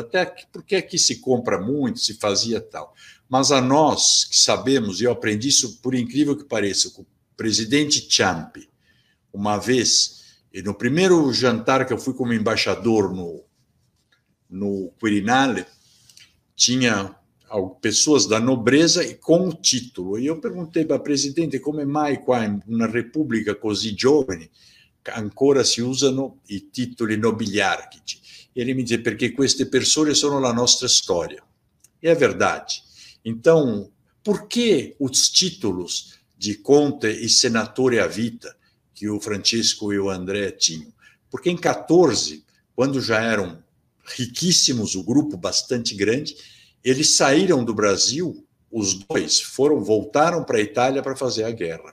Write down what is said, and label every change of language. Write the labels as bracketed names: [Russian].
[Portuguese] Até porque aqui se compra muito, se fazia tal. Mas a nós, que sabemos, e eu aprendi isso, por incrível que pareça, com o presidente Ciampi, uma vez, e no primeiro jantar que eu fui como embaixador no Quirinale, tinha pessoas da nobreza e com o título. E eu perguntei para o presidente, como é mai qua em uma república [Italian] così giovane ancora si usano i titoli nobiliarchici? [Portuguese] Ele me disse, porque [Italian] queste persone sono la nostra storia. [Portuguese] E é verdade. Então, por que os títulos de conte e senatore a vita que o Francesco e o André tinham? Porque em 14, quando já eram riquíssimos, o grupo bastante grande, eles saíram do Brasil, os dois, voltaram para a Itália para fazer a guerra.